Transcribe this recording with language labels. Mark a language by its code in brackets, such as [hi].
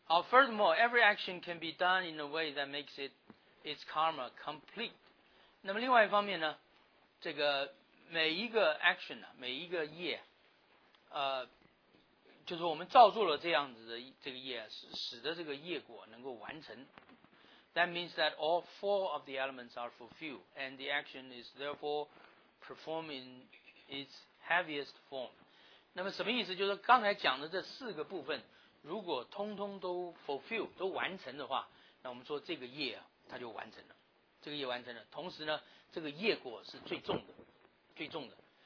[en] Furthermore, every action can be done in a way that makes its karma complete. [zh] 那么另外一方面呢，这个每一个 action 啊，每一个业，就是我们造作了这样子的这个业，使得这个业果能够完成。 [en] That means that all four of the elements are fulfilled, and the action is therefore performed in its heaviest form. [zh] 那么什么意思？就是刚才讲的这四个部分，如果通通都 fulfill 都完成的话，那我们说这个业啊，它就完成了，这个业完成了，同时呢，这个业果是最重的，最重的。